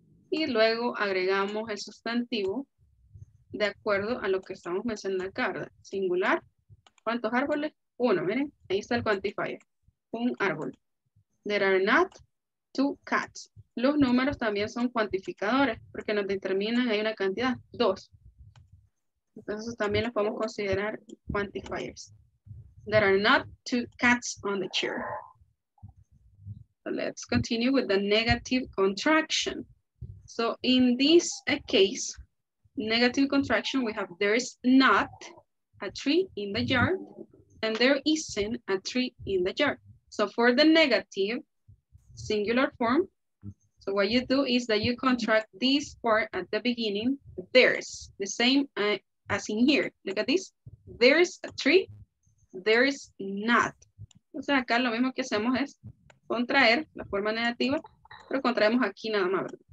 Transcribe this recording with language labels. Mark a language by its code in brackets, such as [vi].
[es] Y luego agregamos el sustantivo de acuerdo a lo que estamos mencionando acá, ¿verdad? Singular. ¿Cuántos árboles? Uno, miren. Ahí está el quantifier. Un árbol. [en] There are not two cats. [es] Los números también son cuantificadores porque nos determinan, hay una cantidad, dos. Entonces también los podemos considerar quantifiers. [en] There are not two cats on the chair. So let's continue with the negative contraction. So in this case, negative contraction, we have there is not a tree in the yard and there isn't a tree in the yard. So for the negative singular form, so what you do is that you contract this part at the beginning, there's, the same as in here. Look at this, there's a tree, there's not. [es] O sea, acá lo mismo que hacemos es contraer la forma negativa, pero contraemos aquí nada más.